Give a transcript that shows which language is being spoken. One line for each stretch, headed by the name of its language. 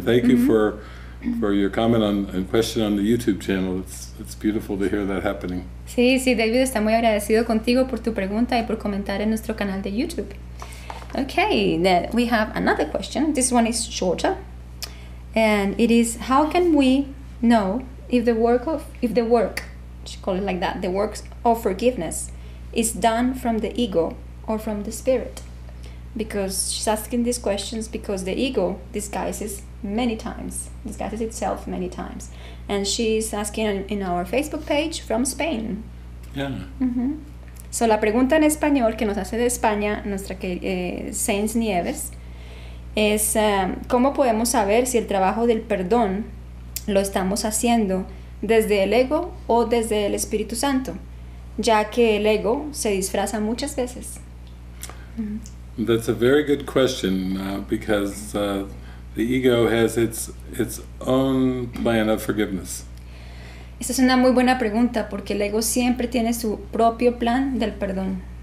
English: Thank you for your comment and question on the YouTube channel. It's beautiful to hear that happening.
Spanish: Sí, David está muy agradecido contigo por tu pregunta y por comentar en nuestro canal de YouTube.
English: Okay, then we have another question. This one is shorter. And it is, how can we know the works of forgiveness is done from the ego or from the Spirit? Because she's asking these questions because the ego disguises itself many times. And she's asking in our Facebook page from Spain. Yeah.
Spanish: So la pregunta en español que nos hace de España nuestra Saints Nieves es ¿cómo podemos saber si el trabajo del perdón lo estamos haciendo desde el ego o desde el Espíritu Santo? Ya que el ego se disfraza muchas veces.
English: That's a very good question because the ego has its own plan of forgiveness.
Spanish: Esa es una muy buena pregunta porque el ego siempre tiene su propio plan del perdón.